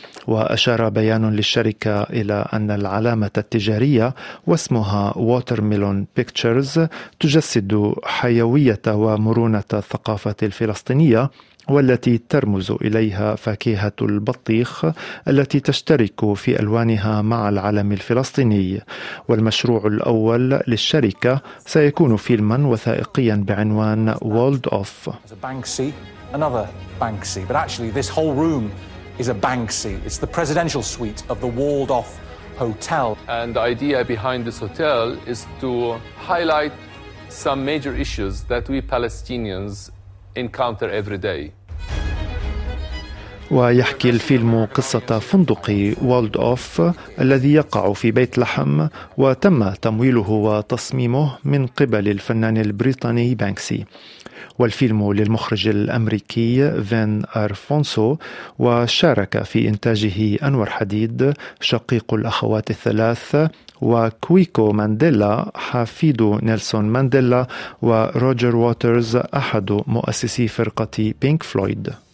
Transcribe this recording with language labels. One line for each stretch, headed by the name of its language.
Arabic: وأشار بيان للشركة إلى أن العلامة التجارية واسمها Watermelon Pictures تجسد حيوية ومرونة الثقافة الفلسطينية، والتي ترمز إليها فاكهة البطيخ التي تشترك في ألوانها مع العلم الفلسطيني. والمشروع الأول للشركة سيكون فيلما وثائقيا بعنوان World of Banksy.
English: Another Banksy, but actually this whole room is a Banksy. It's the presidential suite of the walled-off hotel. And the idea behind this hotel is to highlight some major issues that we Palestinians encounter every day.
Arabic: ويحكي الفيلم قصة فندق World of الذي يقع في بيت لحم، وتم تمويله وتصميمه من قبل الفنان البريطاني بانكسي. والفيلم للمخرج الأمريكي فين أرفونسو، وشارك في إنتاجه أنور حديد شقيق الأخوات الثلاث، وكويكو مانديلا حفيد نيلسون مانديلا، وروجر ووترز أحد مؤسسي فرقة بينك فلويد.